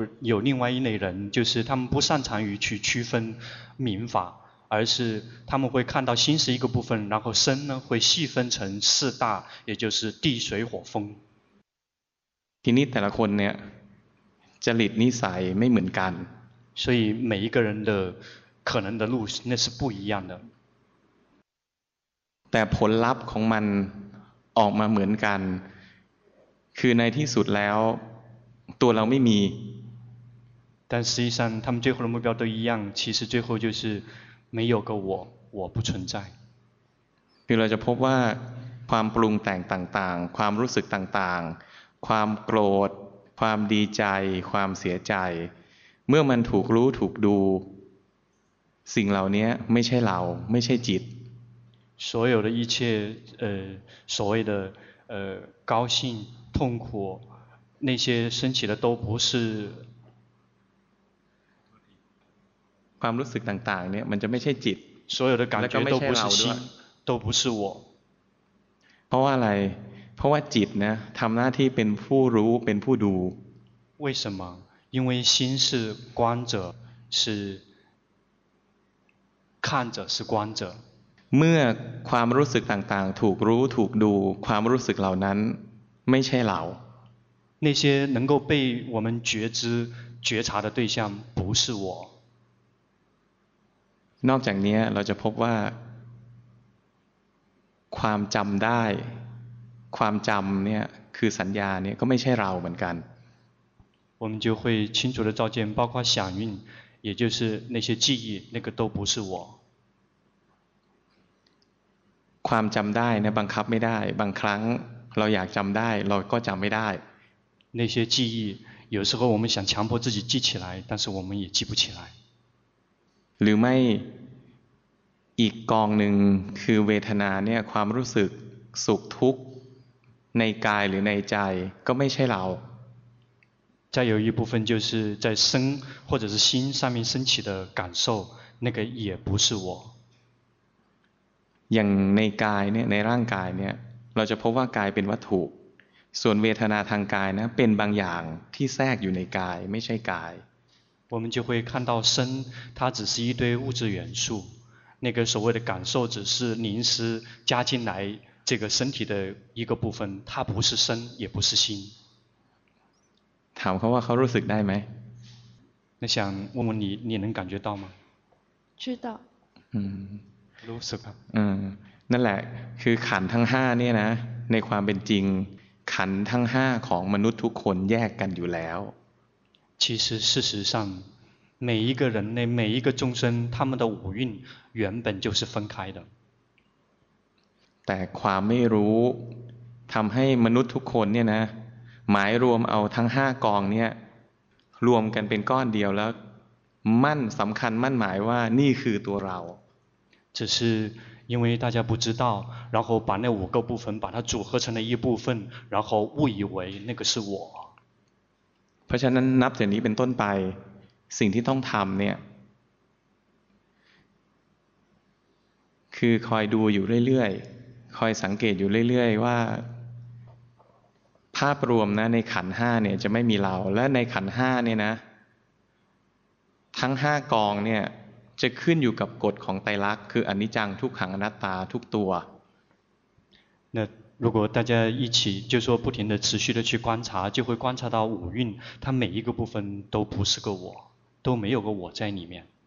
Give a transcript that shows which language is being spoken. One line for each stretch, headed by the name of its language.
Chinese: 有另外一类人，就是他们不擅长于去区分民法，而是他们会看到心是一个部分，然后身呢会细分成四大，也就是地水火风。
Thai: ที่นี่แต่ละคนเนี่ยจริตนิสัยไม่เหมือนกัน，
Chinese: 所以每一个人的可能的路那是不一样的。
Thai: แต่ผลลัพธ์ของมันออกมาเหมือนกันคือในที่สุดแล้วตัวเราไม่มี
Chinese: 但实际上他们最后的目标都一样其实最后就是没有个我我不存在
Thai: คือเราจะพบว่าความปรุงแต่งต่างๆความรู้สึกต่างๆความโกรธความดีใจความเสียใจเมื่อมันถูกรู้ถูกดูสิ่งเหล่านี้ไม่ใช่เราไม่ใช่จิต
Chinese: 所有的一切所谓的高兴痛苦那些升起的都不是
Thai: ความรู้สึกต่างๆเนี่ยมันจะไม่ใช่จิต
Chinese: 所有的感觉都不是心都不是我
Thai: เพราะว่าอะไรเพราะว่าจิตนะทำหน้าที่เป็นผู้รู้เป็นผู้ดู
Chinese: 为什么因为心是观者是看者是观者
Thai: เมื่อความรู้สึกต่างๆถูกรู้ถูกดูความรู้สึกเหล่านั้นไม่ใช่เรา
Chinese: 那些能够被我们觉知觉察的对象不是我。
Thai: นอกจากนี้เราจะพบว่าความจำได้ความจำเนี่ยคือสัญญาเนี่ยก็ไม่ใช่เราเหมือนกัน
Chinese: 我们就会清楚的照见包括响应也就是那些记忆那个都不是我
Thai: ความจำได้เนี่ยบังคับไม่ได้บางครั้งเราอยากจำได้เราก็จำไม่ได้
Chinese: 那些记忆有时候我们想强迫自己记起来但是我们也记不起来
Thai: หรือไม่อีกกองหนึ่งคือเวทนาเนี่ยความรู้สึกสุขทุกข์ในกายหรือในใจก็ไม่ใช่เรา
Chinese: 再有一部分就是在身或者是心上面升起的感受那个也不是我
Thai: อย่างในกายเนี่ยในร่างกายเนี่ยเราจะพบว่ากายเป็นวัตถุส่วนเวทนาทางกายนะเป็นบางอย่างที่แทรกอยู่ในกายไม่ใช่กาย
Chinese: 我们就会看到身它只是一堆物质元素那个所谓的感受只是临时加进来这个身体的一个部分它不是身也不是心
Thai: ถามเขาว่าเขารู้สึกได้ไหม
Chinese: 那想问问你你能感觉到吗知道
Thai: รู้สึกครับ นั่นแหละคือขันธ์ทั้ง5เนี่ยนะในความเป็นจริงขันธ์ทั้ง5ของมนุษย์ทุกคนแยกกันอยู่แล้ว
Chinese: 其实事实上每一个人类每一个众生他们的五蕴原本就是分开的
Thai: แต่ความไม่รู้ทำให้มนุษย์ทุกคนเนี่ยนะหมายรวมเอาทั้ง5กองเนี่ยรวมกันเป็นก้อนเดียวแล้วมั่นสำคัญมั่นหมายว่านี่คือตัวเรา
Chinese: 只是因为大家不知道然后把那五个部分把它组合成了一部分然后误以为那个是我
Thai: เพราะฉะนั้นนับจากนี้เป็นต้นไปสิ่งที่ต้องทำเนี่ยคือคอยดูอยู่เรื่อยๆคอยสังเกตอยู่เรื่อยๆว่าภาพรวมนะในขันห้าเนี่ยจะไม่มีเราและในขันห้าเนี่ยนะทั้งห้ากองเนี่ยจะขึ้นอยู่กับกฎของไตรลักษณ์คืออนิจจังทุกขังอนัตตาทุกตัว
Chinese: 那如果大家一起就说不停的持续的去观察就会观察到五蕴它每一个部分都不是个我都没有个我在里面